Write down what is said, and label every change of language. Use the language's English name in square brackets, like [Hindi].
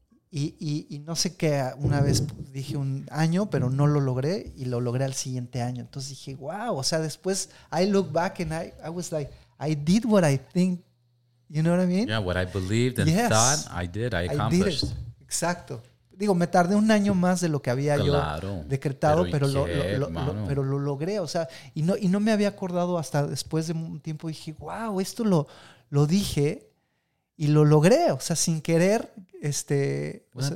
[Spanish] Y no sé qué, una vez dije un año, pero no lo logré, y lo logré al siguiente año. Entonces dije, wow, o sea, después [English] I look back and I was like, I did what I think, you know what I mean? Yeah, what I believed and, yes, thought, I accomplished. I did it. [Spanish] Exacto. Digo, me tardé un año más de lo que había, claro, yo decretado, pero lo logré, o sea, y no me había acordado hasta después de un tiempo, dije, wow, esto lo dije. Y lo logré, o sea, sin querer. Una, o sea,